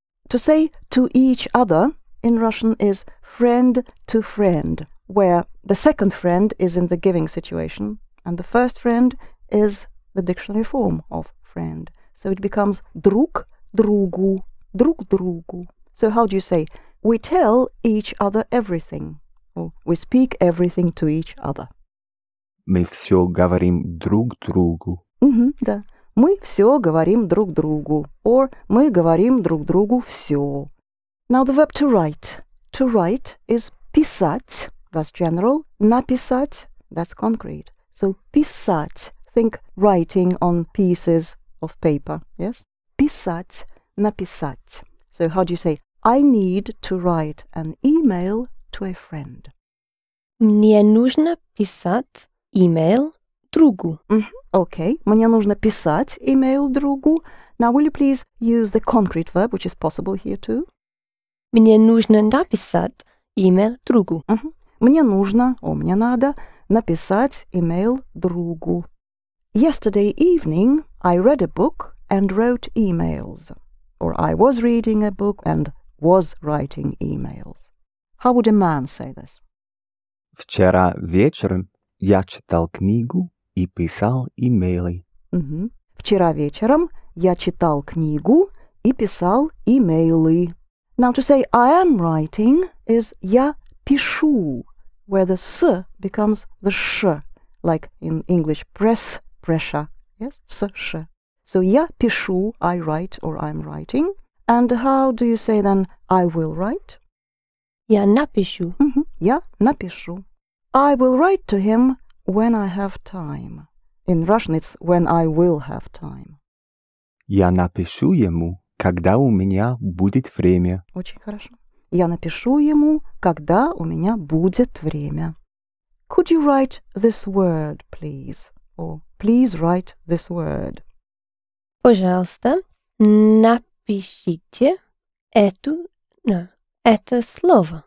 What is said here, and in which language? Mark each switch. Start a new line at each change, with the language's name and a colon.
English: To say to each other in Russian is friend to friend, where the second friend is in the giving situation, and the first friend is the dictionary form of friend. So it becomes друг другу, друг другу. So how do you say, we tell each other everything, or we speak everything to each other?
Russian: Мы все говорим друг другу. Mm-hmm, да. Мы все говорим друг другу. Or мы говорим друг другу все.
English: Now the verb to write. To write is писать. That's general. Написать. That's concrete. So писать. Think writing on pieces of paper. Yes? Писать. Написать. So how do you say, I need to write an email to a friend?
Russian: Мне нужно писать. Email другу. Mm-hmm. Okay. Мне нужно писать email другу.
English: Now, will you please use the concrete verb, which is possible here too?
Russian: Мне нужно написать email другу. Mm-hmm. Мне нужно, or мне надо, написать email другу.
English: Yesterday evening, I read a book and wrote emails. Or I was reading a book and was writing emails. How would a man say this?
Russian: Вчера вечером. Я читал книгу и писал имейлы. Mm-hmm. Вчера вечером я читал книгу и писал имейлы.
English: Now to say I am writing is я пишу, where the с becomes the ш, like in English press, pressure. Yes, с, ш. So я пишу, I write or I'm writing. And how do you say then I will write?
Russian: Я напишу. Mm-hmm. Я напишу.
English: I will write to him when I have time. In Russian, it's when I will have time.
Russian: Я напишу ему, когда у меня будет время. Очень хорошо. Я напишу ему, когда у меня будет время.
English: Could you write this word, please? Or please write this word.
Russian: Пожалуйста, напишите это слово.